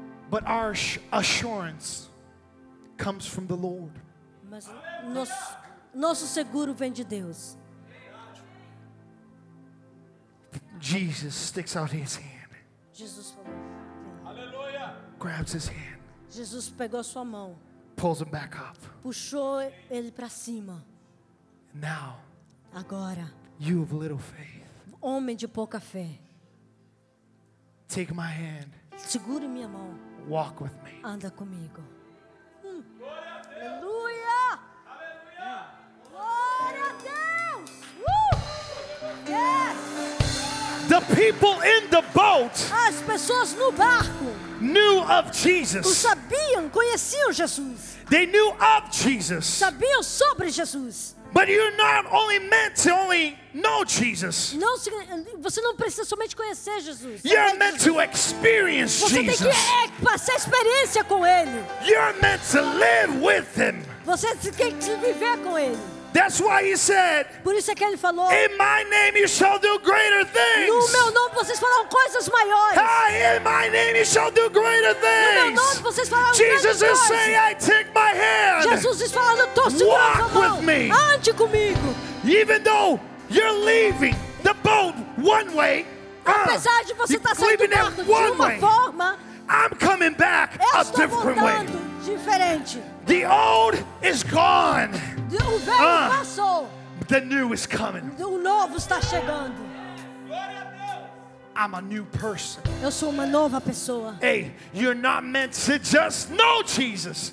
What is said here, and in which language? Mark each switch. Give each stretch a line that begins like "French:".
English: But our assurance comes from the Lord.
Portuguese: Mas nosso seguro vem de Deus.
English: Jesus sticks out his hand.
Portuguese: Jesus falou. Aleluia.
English: Grabs his hand.
Portuguese: Jesus pegou sua mão.
English: Pulls him back up.
Portuguese: Puxou ele para cima.
English: Now.
Portuguese: Agora.
English: You of little faith.
Portuguese: Homem de pouca fé.
English: Take my hand.
Portuguese: Segure minha mão.
English: Walk with me.
Portuguese: Anda comigo. Glória a Deus. Aleluia. Aleluia. Glória a Deus. Woo. Yes.
English: The people in the boat.
Portuguese: As pessoas no barco.
English: Knew of Jesus.
Portuguese: O sabiam, conheciam Jesus.
English: They knew of Jesus.
Portuguese: Sabiam sobre Jesus.
English: But you're not only meant to only know Jesus.
Portuguese: Não, você não precisa somente conhecer Jesus.
English: You're meant to experience Jesus.
Portuguese: Você tem que passar experiência com ele.
English: You're meant to live with him.
Portuguese: Você tem que viver com ele.
English: That's why he said,
Portuguese: por isso é que ele falou,
English: in my name you shall do greater things.
Portuguese: No meu nome vocês farão coisas maiores.
English: Hi, in my name you shall do greater things.
Portuguese: No meu nome vocês farão
English: Jesus
Portuguese: grandes
English: is
Portuguese: coisas.
English: Saying, I take my hand.
Portuguese: Jesus está falando, tô
English: walk with me.
Portuguese: Ande comigo.
English: Even though you're leaving the boat one way,
Portuguese: apesar de você estar saindo do barco de uma forma,
English: I'm coming back a different way.
Portuguese: Diferente.
English: The old is gone.
Portuguese: O velho passou.
English: The new is coming.
Portuguese: O novo está chegando.
English: I'm a new person.
Portuguese: Eu sou uma nova pessoa.
English: Hey, you're not meant to just know Jesus.